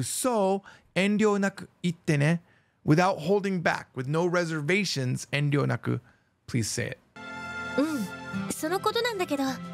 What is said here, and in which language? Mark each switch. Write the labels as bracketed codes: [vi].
[ja] So, 遠慮なく言ってね。 [en] Without holding back, with no reservations, 遠慮なく、please say it. [ja] うん、そのことなんだけど。